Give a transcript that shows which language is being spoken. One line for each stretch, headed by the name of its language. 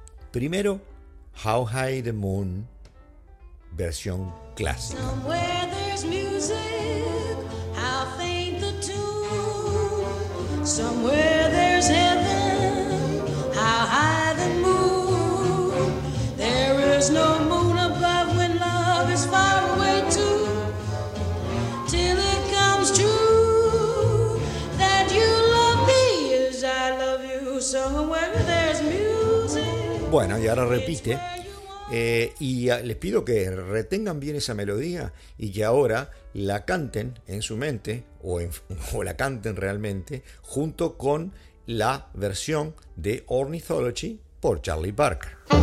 Spanish: Primero, How High the Moon, versión clásica.
English: Somewhere there's music, how faint the tune. Somewhere there's heaven, how high the moon. There is no moon above when love is far away too. Till it comes true that you love me as I love you. Somewhere there's music.
Spanish: Bueno, y ahora repite. Y les pido que retengan bien esa melodía y que ahora la canten en su mente o la canten realmente junto con la versión de Ornithology por Charlie Parker.